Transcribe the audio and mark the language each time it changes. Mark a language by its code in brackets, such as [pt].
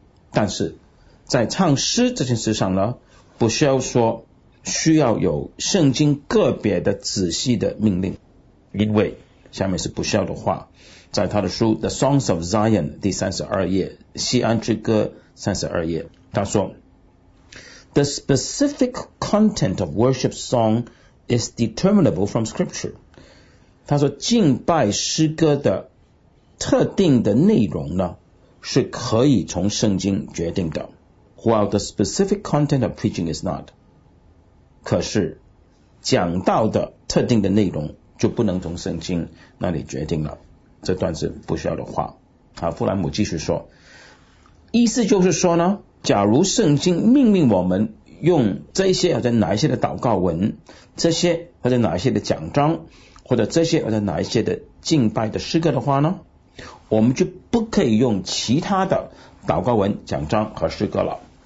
[zh] 但是在唱诗这件事上呢，不需要说需要有圣经个别的仔细的命令，因为下面是不需要的话，在他的书 The Songs of Zion 第32页，西安之歌32页，他说 [en] The specific content of worship song is determinable from scripture. [zh] 他说敬拜诗歌的特定的内容呢是可以从圣经决定的。 [en] While the specific content of preaching is not. [zh] 可是讲到的特定的内容就不能从圣经那里决定了。这段是不需要的话。好，弗兰姆继续说。意思就是说呢，假如圣经命令我们用这些或者哪一些的祷告文，这些或者哪一些的讲章，或者这些或者哪一些的敬拜的诗歌的话呢，我们就不可以用其他的祷告文讲章和诗歌了。